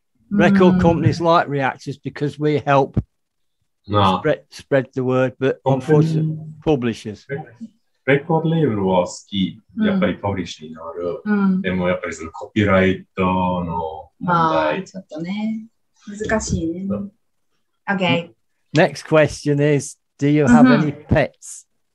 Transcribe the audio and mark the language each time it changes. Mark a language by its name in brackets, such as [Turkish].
[English] Record companies like reactors because we help spread the word, but unfortunately, publishers. [Japanese] Record label は好き。やっぱりパブリッシュになる。でもやっぱりそのコピーライトの問題。ちょっとね。難しいね。 [English] Okay. Next question is, do you have any pets?